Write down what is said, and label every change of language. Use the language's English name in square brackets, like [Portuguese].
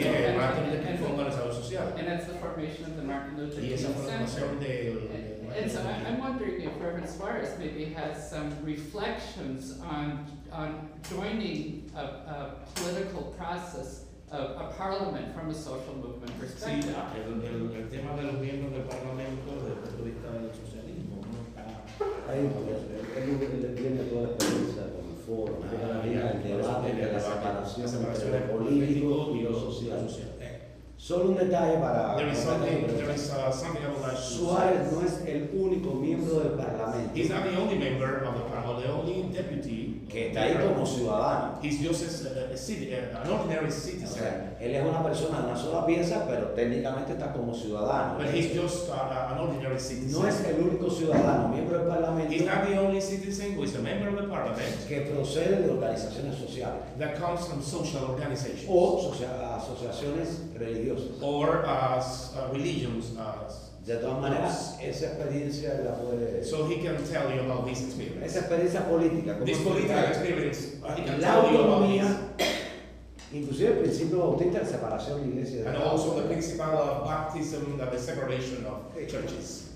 [English] and that's the formation of the Martin Luther King Center. And so I'm wondering if Reverend Suarez maybe has some reflections on joining a political process. A parliament from a social movement perspective. [Spanish] Sí, el tema de los miembros del parlamento desde el punto de vista del socialismo no está. Hay un problema. Es lo que tiene toda la experiencia con el foro. La separación entre lo político y lo social. Solo un detalle para. Suárez no es el único miembro del parlamento. [English] He's not the only member of the parliament, the only deputy. [Spanish] Que está ahí como ciudadano. [English] He's just an ordinary citizen. [Spanish] O sea, él es una persona de una sola pieza, pero técnicamente está como ciudadano. [English] But he's just an ordinary citizen. [Spanish] No es el único ciudadano miembro del parlamento. [English] He's not the only citizen who is a member of the parliament. [Spanish] Que procede de organizaciones sociales. [English] That comes from social organizations. [Spanish] O asociaciones religiosas. [English] Or religions. [Spanish] De todas maneras, esa experiencia la puede. [English] So he can tell you about his experience. [Spanish] Esa experiencia política. [English] This political experience. [Spanish] La autonomía, inclusive el principio bautista de separación de iglesias. [English] And also the principle of baptism, the separation of churches.